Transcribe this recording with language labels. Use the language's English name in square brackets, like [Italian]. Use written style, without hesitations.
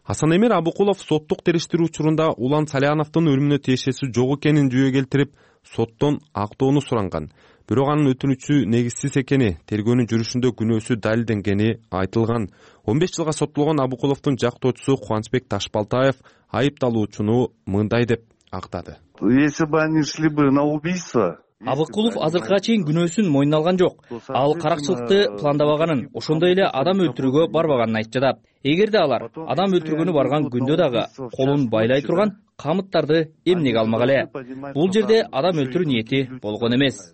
[Kyrgyz] Асан Эмир Абдыкулов соттук териштирүү учурунда Улан Саляновдун өлүмүнө тиешеси жок экенин жүйө келтирип, соттон актоону суранган. Бирок анын өтүнүчү негизсиз экени, тергөөнүн жүрүшүндө күнөөсү далилденгени айтылган. 15 жылга соттолгон Абдыкуловдун жактоочусу Кубанычбек Ташбалтаев айыпталуучуну мындай деп актады. [Russian] Если бы они шли бы на убийство, [Kyrgyz] Абдыкулов азыркыга чейин күнөөсүн мойнуна алган жок. Ал каракчылыкты пландабаганын, ошондой эле адам өлтүрүүгө барбаганын айтып жатат. Эгерде алар адам өлтүргөнү барган күндө дагы колун байлай турган камыттарды эмнеге алмак эле? Бул жерде адам өлтүрүү ниети болгон эмес.